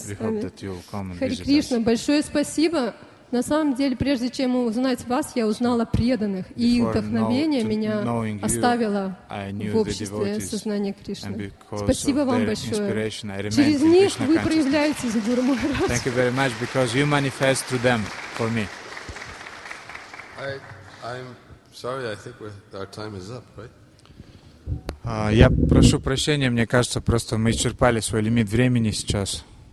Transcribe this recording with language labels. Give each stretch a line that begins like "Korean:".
Russian: с нами. Хари Кришна, большое спасибо. На самом деле, прежде чем узнать вас, я узнала преданных, и вдохновение меня оставило в обществе сознания Кришны. Спасибо вам большое. Через них вы проявляетесь за Гуру Махарадж.
English: Thank you very much, because you manifest through them for me. I'm sorry, I think our time is up, right?
Russian: Я прошу прощения, мне кажется, просто мы исчерпали свой лимит времени сейчас.